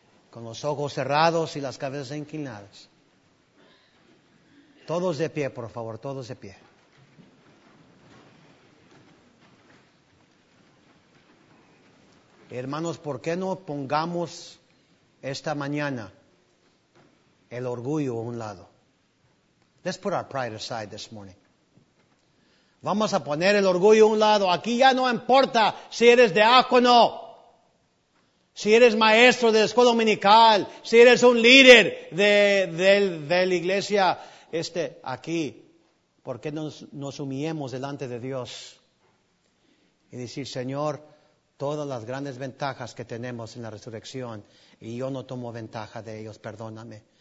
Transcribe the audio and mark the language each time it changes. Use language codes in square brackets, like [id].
[es] Con los ojos cerrados y las cabezas inclinadas. Todos de pie, por favor, todos de pie. Hermanos, ¿por qué no pongamos esta mañana el orgullo a un lado? [en] Let's put our pride aside this morning. [es] Vamos a poner el orgullo a un lado. Aquí ya no importa si eres diácono, si eres maestro de la escuela dominical, si eres un líder de la iglesia aquí. ¿Por qué nos humillemos delante de Dios? Y decir, Señor, todas las grandes ventajas que tenemos en la resurrección y yo no tomo ventaja de ellos, perdóname.